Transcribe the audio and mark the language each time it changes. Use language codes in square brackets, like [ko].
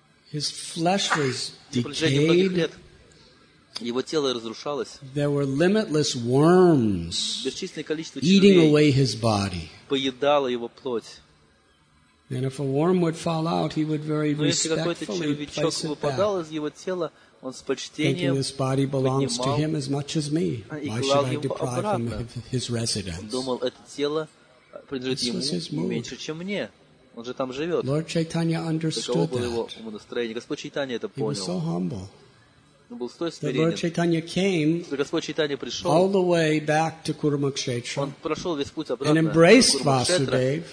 [en] His flesh was decayed. [ru] Его тело разрушалось. [en] There were limitless worms [ru] бесчисленное количество [en] eating away his body. [ru] Поедало его плоть. [en] And if a worm would fall out, he would very respectfully place it back. [ru] Если какой-то червячок выпадал из его тела, он с почтением [en] thinking this body belongs to him as much as me. Why should I deprive [ru] обратно. [en] Him of his residence? [ru] Он думал, это тело принадлежит ему меньше, чем мне. Он же там живет. [en] Lord Chaitanya understood that. [ru] Таково было его настроение. Господь Чайтанья это понял. [en] He was so humble. The Lord Chaitanya came all the way back to Kurumakshetra and embraced Vasudev